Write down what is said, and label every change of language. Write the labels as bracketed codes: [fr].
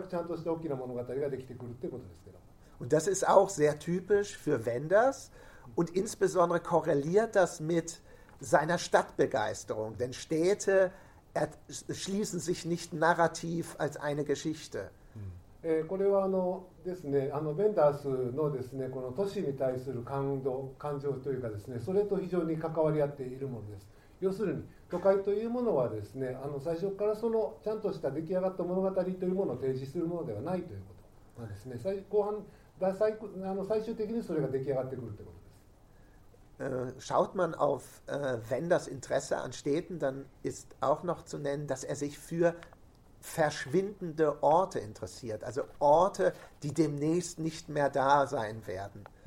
[ja] で、特に彼の映画の場合、あの本当にちゃんとした物語、ストーリーというものがないわけですね。まあこの今日の場合は本当に一番最後になってようやくちゃんとした大きな物語ができてくるってことですけど。 [de] Und das ist auch sehr typisch für Wenders und insbesondere korreliert das mit seiner Stadtbegeisterung, denn Städte schließen sich nicht narrativ als eine Geschichte. [ja] これはあのですね、あのベンダースのですね、この都市に対する感動、感情というかですね、それと非常に関わり合っているものです。要するに、都会というものはですね、あの最初からそのちゃんとした出来上がった物語というものを提示するものではないということなんですね。後半、最終的にそれが出来上がってくるということです。 [de] Schaut man auf Wenders Interesse an Städten, dann ist auch noch zu nennen, dass er sich für verschwindende Orte interessiert, also Orte, die demnächst nicht mehr da sein werden.